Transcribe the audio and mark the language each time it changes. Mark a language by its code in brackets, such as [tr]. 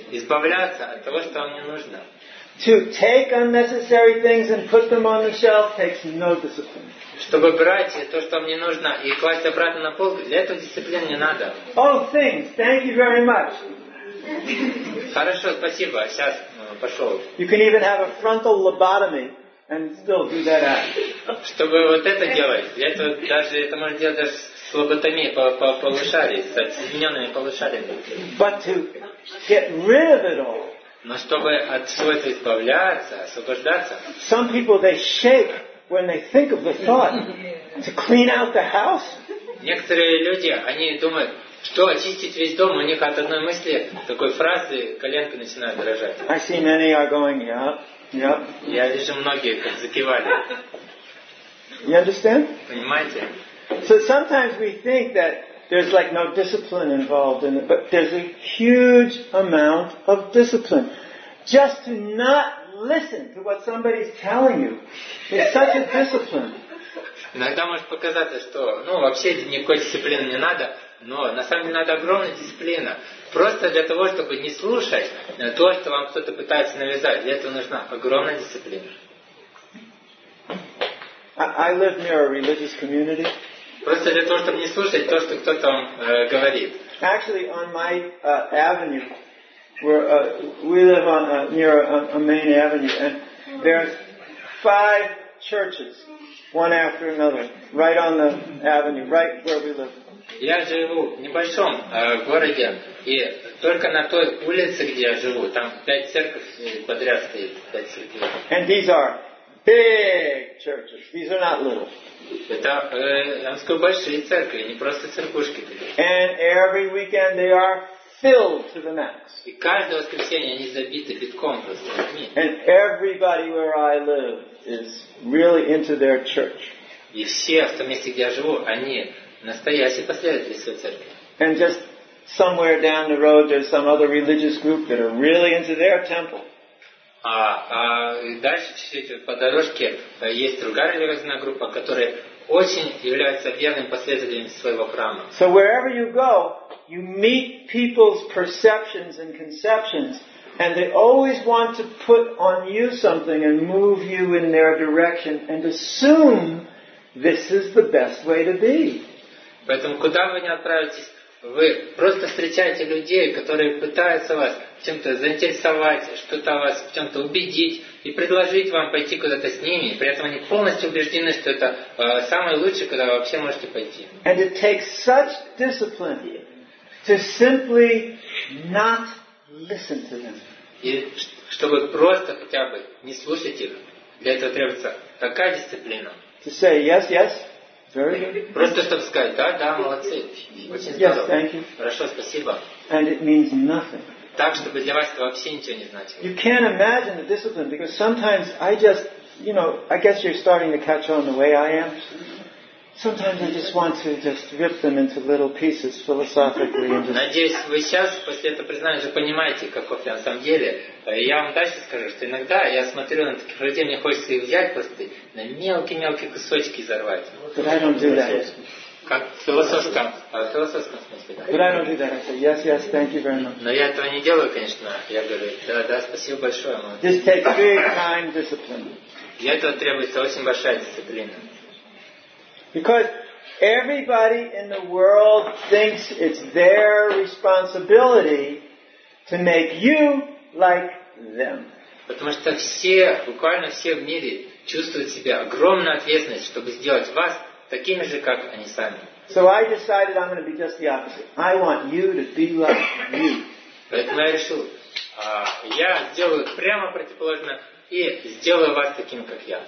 [ru] Избавляться от того, что мне нужно. [en] To take unnecessary things and put them on the shelf takes no discipline. [ru] Чтобы брать то, что мне нужно, и класть обратно на полку, для этого дисциплины не надо. [en] Oh, things. Thank you very much. [ru] Хорошо, спасибо. Сейчас пошел. [en] You can even have a frontal lobotomy. And still do that act. [ru] Чтобы вот это делать, для этого даже это можно делать даже с лоботомией по полушарии, с соединенными полушариями. [en] But to get rid of it all. [ru] Но чтобы от всего этого избавляться, освобождаться. [en] Some people they shake when they think of the thought to clean out the house. [ru] Некоторые люди, они думают, что очистить весь дом, у них от одной мысли, такой фразы, коленки начинают дрожать. [en] I see many are going, yeah. [ru] Я вижу, многие как закивали. [en] You understand? [ru] Понимаете? [en] So sometimes we think that there's like no discipline involved in it, but there's a huge amount of discipline. Just to not listen to what somebody's telling you is such a discipline. [ru] Иногда может показаться, что вообще никакой дисциплины не надо, но на самом деле надо огромная дисциплина. Просто для того, чтобы не слушать то, что вам кто-то пытается навязать, для этого нужна огромная дисциплина. [en] I live near a religious community. [ru] Просто для того, чтобы не слушать то, что кто-то вам говорит. [en] Actually, on my avenue, we live on near a main avenue, and there's five churches, one after another, right on the avenue, right where we live. [ru] Я живу в небольшом городе, и только на той улице, где я живу, там пять церквей подряд стоит. [en] And these are big churches. These are not little. [ru] Это, я скажу, большие церкви, не просто церквушки. [en] And every weekend they are filled to the max. [ru] И каждое воскресенье они забиты битком просто. [en] And everybody where I live is really into their church. [ru] И все в том месте, где я живу, они настоящие последователи своей церкви. [en] And just somewhere down the road there's some other religious group that are really into their temple. [ru] Дальше чуть-чуть по дорожке есть другая религиозная группа, которая очень является верным последователем своего храма. [en] So wherever you go, you meet people's perceptions and conceptions, and they always want to put on you something and move you in their direction and assume this is the best way to be. [ru] Поэтому куда вы ни отправитесь, вы просто встречаете людей, которые пытаются вас чем-то заинтересовать, что-то вас в чем-то убедить и предложить вам пойти куда-то с ними, при этом они полностью убеждены, что это самое лучшее, куда вы вообще можете пойти. [en] And it takes such discipline to simply not listen to them. [ru] И чтобы просто хотя бы не слушать их, для этого требуется такая дисциплина. [en] To say yes, yes. Very good. [ru] Просто чтобы сказать, да, молодцы. Очень [en] yes, thank you. [ru] Хорошо, спасибо. [en] And it means nothing. [ru] Так, чтобы для вас это вообще ничего не значило. [en] You can't imagine the discipline, because sometimes I just you know, I guess you're starting to catch on the way I am. Sometimes I just want to just rip them into little pieces philosophically. [ru] Надеюсь, вы сейчас после этого признания понимаете, каков я на самом деле. Я вам дальше скажу, что иногда я смотрю на таких людей, мне хочется их взять просто на мелкие-мелкие кусочки и взорвать. [en] But I don't do that. [ru] Как философском, философском смысле. Да. [en] But I don't do that. I say, yes, yes, thank you very much. [ru] Но я этого не делаю, конечно. Я говорю, да, спасибо большое. [en] This takes very kind discipline. [ru] Для этого требуется очень большая дисциплина. [en] Because everybody in the world thinks it's their responsibility to make you like them. [ru] Потому что все, буквально все в мире чувствуют себя огромную ответственность, чтобы сделать вас такими же, как они сами. [en] So I decided I'm going to be just the opposite. I want you to be like me. [ru] Поэтому я решил, я сделаю прямо противоположно и сделаю вас таким, как я.